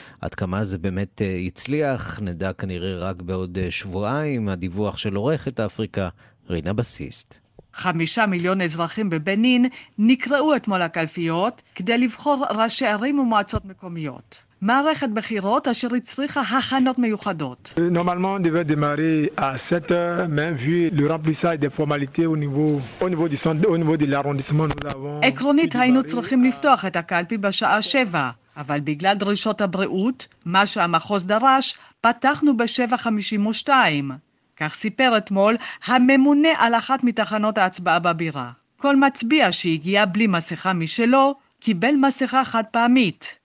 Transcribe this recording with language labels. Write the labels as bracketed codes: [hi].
[he] עד כמה זה באמת הצליח, נדע כנראה רק בעוד שבועיים. הדיווח של עורכת אפריקה רינה בסיסט. 5 מיליון אזרחים בבנין נקראו אתמול הקלפיות כדי לבחור ראשי ערים ומועצות מקומיות. מערכת בחירות אשר הצריכה הכנות מיוחדות. [fr] Normalement, devait démarrer à 7h, mais vu le remplissage des formalités au niveau de l'arrondissement, nous avons [he] עקרונית היינו צריכים לפתוח את הקלפי בשעה 7, אבל בגלל דרישות הבריאות, מה שהמחוז דרש, פתחנו ב-7:52. כך סיפר אתמול הממונה על אחת מתחנות ההצבעה בבירה. כל מצביע שהגיע בלי מסכה משלו, קיבל מסכה חד פעמית.